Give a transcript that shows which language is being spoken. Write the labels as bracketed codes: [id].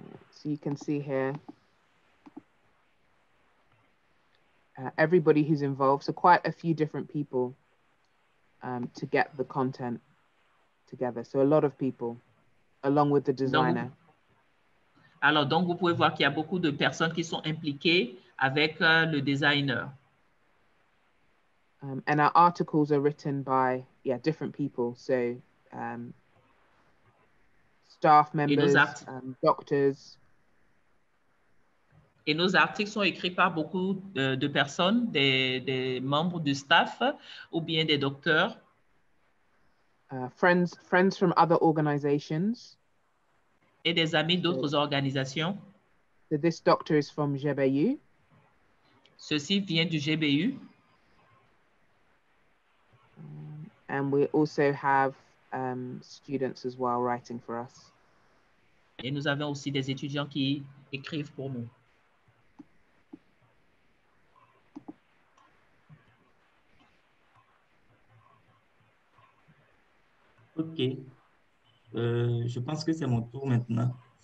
[en] So you can see here, everybody who's involved, so quite a few different people. To get the content together. So a lot of people, along with the designer. [fr] Alors, donc vous pouvez voir qu'il y a beaucoup de personnes qui sont impliquées avec le designer. [en] And our articles are written by, different people. So staff members, doctors. [fr] Et nos articles sont écrits par beaucoup de personnes, des membres du staff ou bien des docteurs. [en] Friends from other organizations. [fr] Et des amis d'autres organisations. [en] So this doctor is from GBU. [fr] Ceci vient du GBU. [en] And we also have students as well writing for us. [fr] Et nous avons aussi des étudiants qui écrivent pour nous. Ok, je pense que c'est mon tour maintenant.